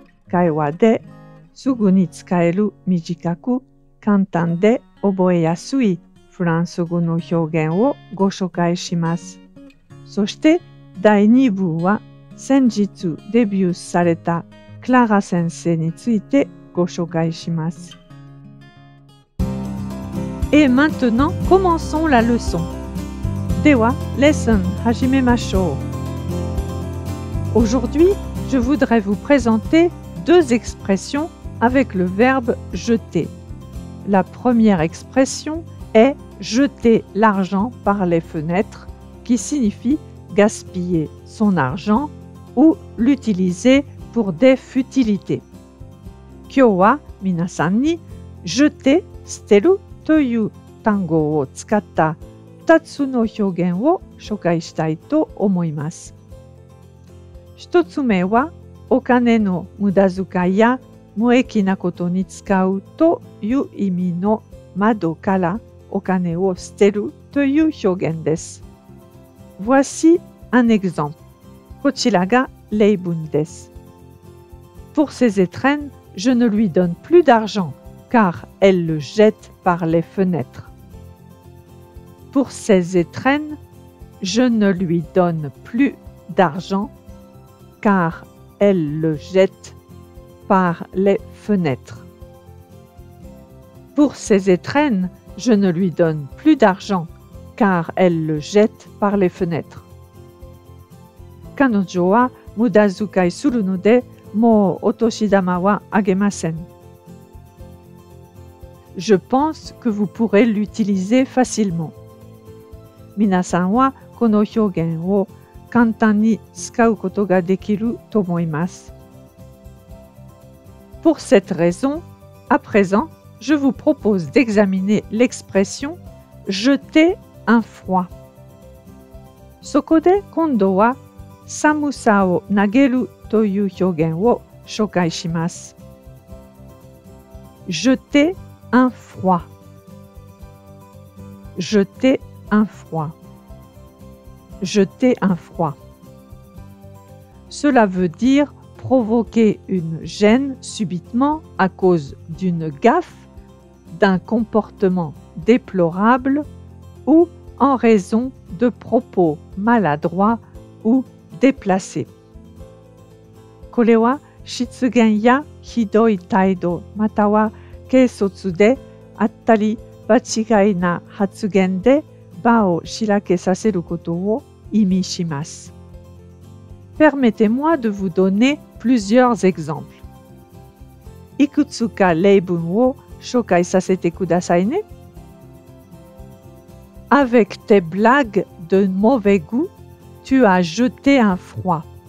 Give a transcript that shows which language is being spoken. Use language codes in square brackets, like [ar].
[ja] 会話ですぐに使える短く、簡単で覚えやすいフランス語の表現をご紹介します。そして第2部は先日デビューされたクララ先生についてご紹介します。 [fr] Et maintenant, commençons la leçon. [ja] ではレッスン始めましょう。 [fr] Aujourd'hui, je voudrais vous présenter deux expressions avec le verbe jeter. La première expression est jeter l'argent par les fenêtres, qui signifie gaspiller son argent ou l'utiliser pour des futilités. [ja] 今日は皆さんに jeter, 捨てるという単語を使った二つの表現を紹介したいと思います。一つ目はお金の無駄遣いや無益なことに使うという意味の窓からお金を捨てるという表現です。 [fr] Voici un exemple. [ja] こちらが例文です。 [fr] Pour ses étrennes, je ne lui donne plus d'argent, car elle le jette par les fenêtres. Pour ses étrennes, je ne lui donne plus d'argent, car elle le jette par les fenêtres. Pour ses étrennes, je ne lui donne plus d'argent, car elle le jette par les fenêtres. [ja] 彼女は無駄遣いするので、もうお年玉はあげません。 [fr] Je pense que vous pourrez l'utiliser facilement. [ja] 皆さんはこの表現を簡単に使うことができると思います。 [fr] Pour cette raison, à présent, je vous propose d'examiner l'expression « jeter un froid ». [ja] そこで今度は「寒さを投げる」という表現を紹介します。 [fr] 「jeter un froid」「jeter un froid」「jeter un froid」Cela veut dire « provoquer une gêne subitement à cause d'une gaffe, d'un comportement déplorable ou en raison de propos maladroits ou déplacés. [ja] これは失言やひどい態度または軽率であったり間違いな発言で場をしらけさせることを意味します。 [fr] Permettez-moi de vous donner plusieurs exemples. [ja] Ikutsuka leibun wo shokai sasete kudasai ne. [fr] Avec tes blagues de mauvais goût, tu as jeté un froid.